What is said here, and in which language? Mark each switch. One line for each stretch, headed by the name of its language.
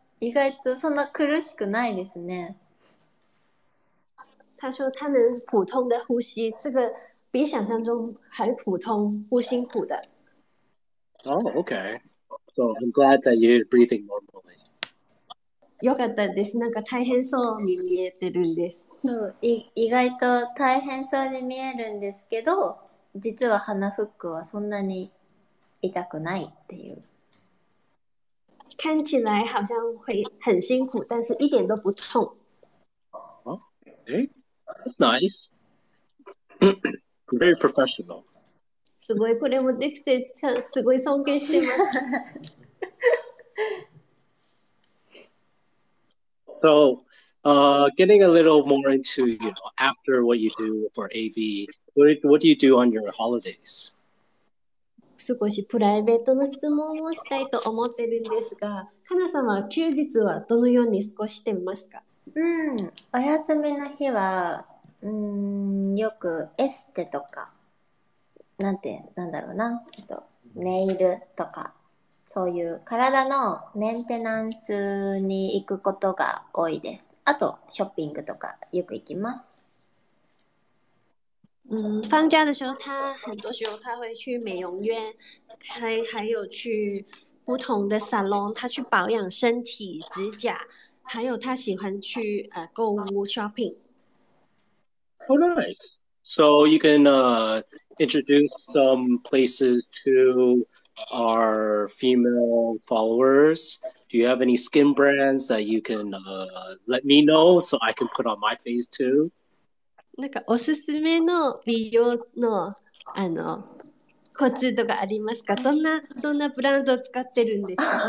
Japanese: 意外とそんな苦しくないですね。
Chinese: 他说他能普通的呼吸，这个比想象中还普通，不辛苦的。
English: Oh, okay. So I'm glad that you're breathing normally.
Japanese: よかったです。なんか大変そうに見えてるんです。そう、意外と大変そうに見えるんですけど、実は鼻フックはそんなに痛くないっていう。
Chinese: 看起来好像会很辛苦，但是一点都不痛。
English: Nice. Very professional.
Japanese: すごいこれもできて、すごい尊敬してます。
English: So, getting a little more into, you know, after what you do for AV, what do you do on your holidays?
Japanese: 少しプライベートの質問をしたいと思ってるんですが、かなさんは休日はどのように過ごしてますか？うん、お休みの日は、よくエステとか、なんだろうな、ネイルとか、そういう体のメンテナンスに行くことが多いです。あとショッピングとかよく行きます。
Chinese: 放假的时候，他很多时候他会去美容院，还有去不同的 salon， 他去保养身体、指甲，还有他喜欢去购物 shopping。
English: Oh, nice. So you can introduce some places to. Our female followers, do you have any skin brands that you can let me know so I can put on my face too?
Japanese: なんかおすすめの美容のあのコツとかありますか？どんなブランドを使ってるんですか？